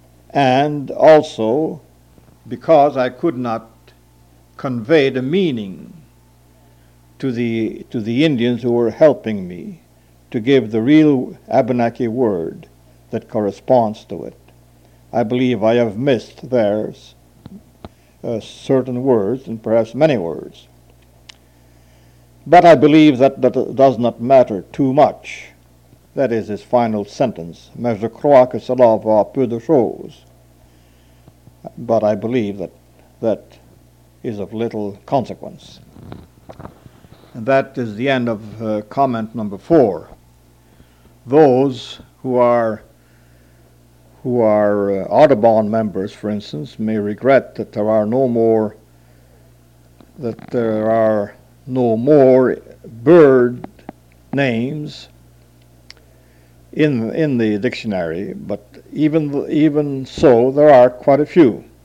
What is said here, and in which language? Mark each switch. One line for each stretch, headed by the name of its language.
English: And also because I could not convey the meaning to the Indians who were helping me to give the real Abenaki word that corresponds to it. I believe I have missed theirs certain words, and perhaps many words. But I believe that does not matter too much. That is his final sentence.
French: Mais je crois que cela va peu de chose.
English: But I believe that is of little consequence. And that is the end of comment number four. Those who are Audubon members, for instance, may regret that there are no more bird names in the dictionary, but even so, there are quite a few.